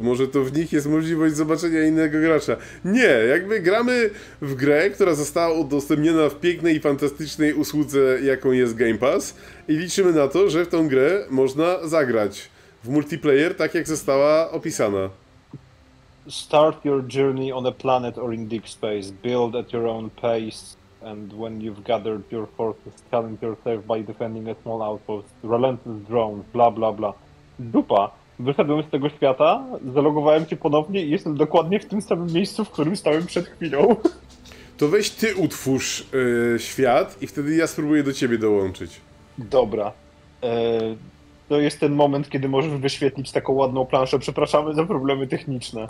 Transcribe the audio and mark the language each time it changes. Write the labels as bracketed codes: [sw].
[pl] Może to w nich jest możliwość zobaczenia innego gracza? Nie, jakby gramy w grę, która została udostępniona w pięknej i fantastycznej usłudze, jaką jest Game Pass, i liczymy na to, że w tą grę można zagrać w multiplayer, tak jak została opisana. [en] Start your journey on a planet or in deep space. Build at your own pace. and when you've gathered your forces, challenge yourself by defending a small outpost, relentless drone, bla bla bla. [pl] Dupa, wyszedłem z tego świata, zalogowałem cię ponownie i jestem dokładnie w tym samym miejscu, w którym stałem przed chwilą. To weź ty utwórz świat i wtedy ja spróbuję do ciebie dołączyć. Dobra. To jest ten moment, kiedy możesz wyświetlić taką ładną planszę. Przepraszamy za problemy techniczne.